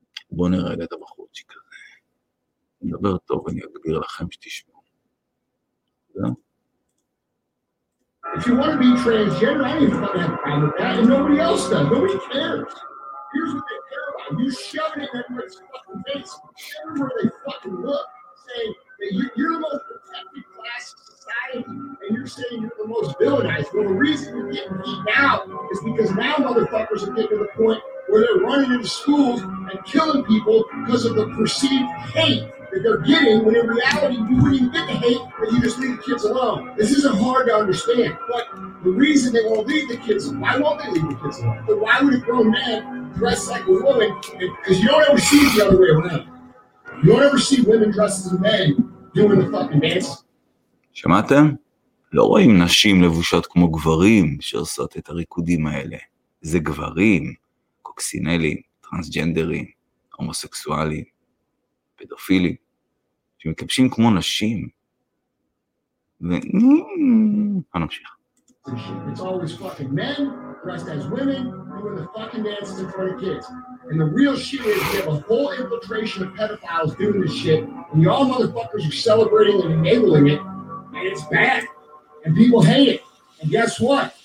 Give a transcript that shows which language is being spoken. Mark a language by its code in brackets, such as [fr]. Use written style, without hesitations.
[he] בוא נראה רגע את הבחורצ'יק כזה. אני מדבר טוב, אני אגביר לכם שתשמעו. זהו? [en] If you want to be transgender, I ain't fucking have a problem with that, and nobody else does. Nobody cares. Here's what they care about. You shove it in everyone's fucking face, everywhere they fucking look, saying that you're the most protected class of society, and you're saying you're the most villainized. Well, the reason you're getting beaten out is because now motherfuckers are getting to the point where they're running into schools and killing people because of the perceived hate that they're getting, when in reality you wouldn't even get the hate, but you just leave the kids alone. This isn't hard to understand, but the reason they won't leave the kids, why won't they leave the kids alone? But why would a grown man dress like a woman? Because you don't ever see it the other way around. You don't ever see women dressed as men doing the fucking dance. [he] שמעתם? לא רואים נשים לבושות כמו גברים שעושות את הריקודים האלה. זה גברים, קוקסינלים, טרנסג'נדרים, הומוסקסואלים, פדופילים, שמקבשים כמו נשים. ו... אני נמשיך. [en] It's always fucking men dressed as women doing the fucking dances in front of kids. And the real shit is you have a whole infiltration of pedophiles doing this shit, and you all motherfuckers are celebrating and enabling it, and it's bad. And people hate it. And guess what?